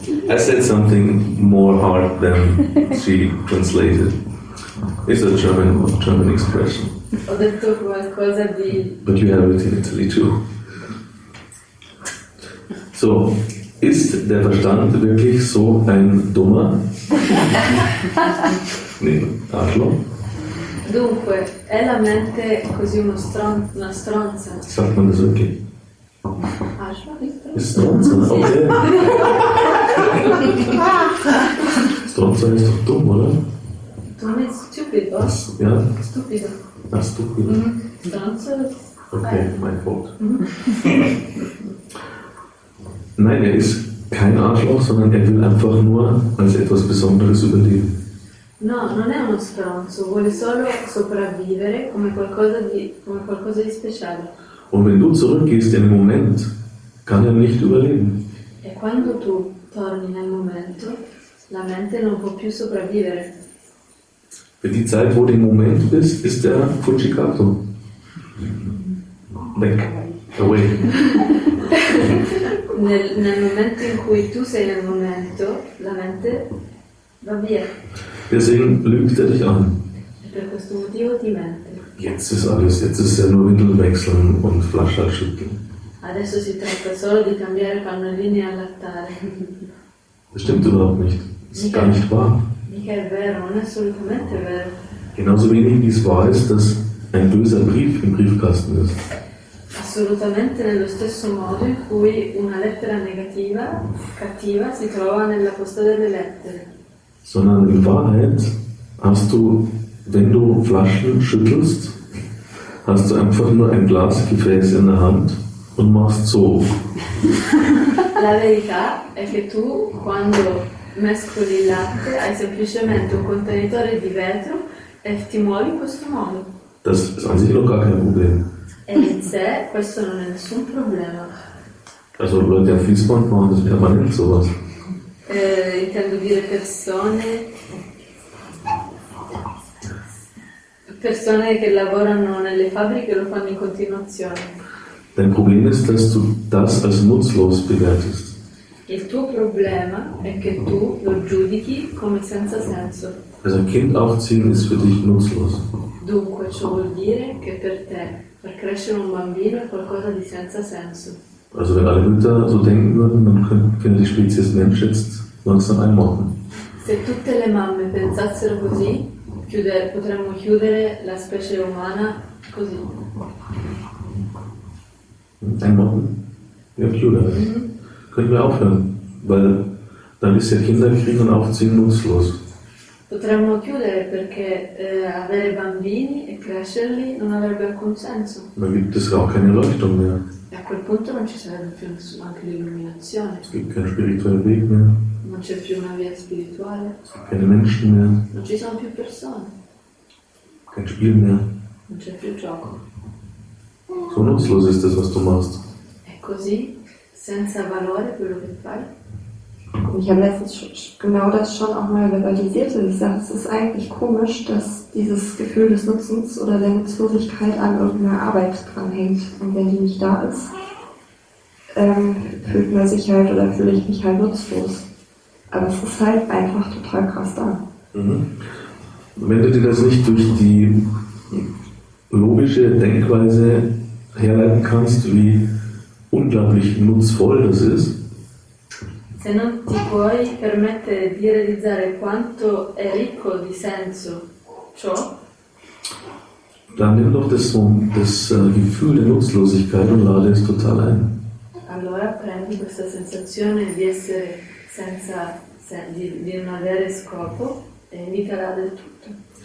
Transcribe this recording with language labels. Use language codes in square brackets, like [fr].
[en] I said something more hard than she translated. It's a German expression. [it] Ho detto qualcosa di... [en] But you have it in Italy too. [de] So, ist der Verstand wirklich so ein Dummer? Nee, Arschloch. [it] Dunque, è la mente così uno una stronza? [de] Sagt man das wirklich? Arschloch ist Stronza. Ist Stronza, okay. Stronza ist doch dumm, oder? Dumm ist stupid, oder? Ach, ja. [en] Stupid. [de] Ach, stupid. Mhm. Stronza ist... Okay, mein Fault. Nein, er ist kein Arschloch, sondern er will einfach nur als etwas Besonderes überleben. [it] No, non è uno stronzo, vuole solo sopravvivere come qualcosa di speciale. [de] Und wenn du zurückgehst in den Moment, kann er nicht überleben. [it] E quando tu torni nel momento, la mente non può più sopravvivere. [de] Per die Zeit, wo du im Moment bist, ist der Fujikato. Weg. Away. [it] Nel momento in cui tu sei nel momento, la mente va via. [de] Deswegen lügt er dich an. [it] E per questo motivo ti mente. [de] Jetzt ist alles, jetzt ist er nur Windeln wechseln und Flasche schütteln. [it] Adesso si tratta solo di cambiare pannolini e allattare. [de] Das stimmt überhaupt nicht. Das ist gar nicht wahr. [it] Mica è vero, non è assolutamente vero. [de] Genauso wenig wie es wahr ist, dass ein böser Brief im Briefkasten ist. [it] Assolutamente nello stesso modo in cui una lettera negativa, cattiva, si trova nella posta delle lettere. [de] Sondern in Wahrheit hast du, wenn du Flaschen schüttelst, hast du einfach nur ein Glasgefäß in der Hand und machst so. [it] La verità è che tu, quando mescoli il latte, hai semplicemente un contenitore di vetro e ti muovi in questo modo. [de] Das ist an sich noch gar kein Problem. [it] E in sé questo non è nessun problema. [de] Also Leute am Fließband machen das permanent sowas. [it] Intendo dire persone. Persone che lavorano nelle fabbriche lo fanno in continuazione. [de] Dein Problem ist, dass du das als nutzlos bewertest. [it] Il tuo problema è che tu lo giudichi come senza senso. [de] Also ein Kind aufziehen ist für dich nutzlos. [it] Dunque ciò vuol dire che per te far crescere un bambino è qualcosa di senza senso. [de] Also wenn alle Mütter so denken würden, dann könnte die Spezies Mensch jetzt langsam einmorden. [it] Se tutte le mamme pensassero così, potremmo chiudere la specie umana così. [de] Einmorden? Ja, chiudere. Mm-hmm. Könnten wir aufhören, weil dann ist ja Kinder kriegen und aufziehen nutzlos. [it] Potremmo chiudere perché avere bambini e crescerli non avrebbe alcun senso. [de] Dann gibt es auch keine Leuchtung mehr. [it] E a quel punto non ci sarebbe più neanche l'illuminazione. [de] Es gibt keinen spirituellen Weg mehr. [it] Non c'è più una via spirituale. [de] Es gibt keine Menschen mehr. [it] Non ci sono più persone. [de] Kein Spiel mehr. [it] Non c'è più gioco. [de] So nutzlos ist das, was du machst. [it] È così? Senza valore quello che fai? [de] Und ich habe letztens genau das schon auch mal verbalisiert und ich sage, es ist eigentlich komisch, dass dieses Gefühl des Nutzens oder der Nutzlosigkeit an irgendeiner Arbeit dranhängt. Und wenn die nicht da ist, fühlt man sich halt oder fühle ich mich halt nutzlos. Aber es ist halt einfach total krass da. Mhm. Wenn du dir das nicht durch die logische Denkweise herleiten kannst, wie unglaublich nutzvoll das ist, [it] se non ti puoi permettere di realizzare quanto è ricco di senso ciò, [de] dann nimm doch das Gefühl der Nutzlosigkeit und lade es total ein. [it] Allora prendi questa sensazione di essere senza di non avere scopo e invitala del tutto.